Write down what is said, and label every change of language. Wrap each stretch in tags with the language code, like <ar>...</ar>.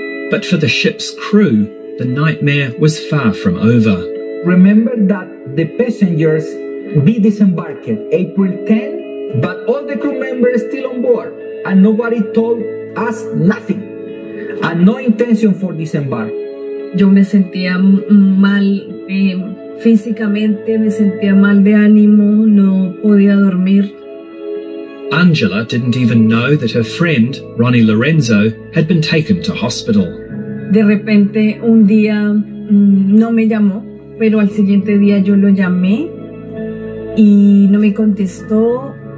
<en>But for the ship's crew, the nightmare was far from over. Remember that the passengers be disembarked April 10, but all the crew members still on board, and nobody told us nothing, and no intention for disembark.</en> <es>Yo me sentía mal físicamente, me sentía mal de ánimo, no podía dormir.</es> <en>Angela didn't even know that her friend, Ronnie Lorenzo, had been taken to hospital.</en> <es>De repente, un día, no me llamó, pero al siguiente día yo lo llamé y no me contestó.</es>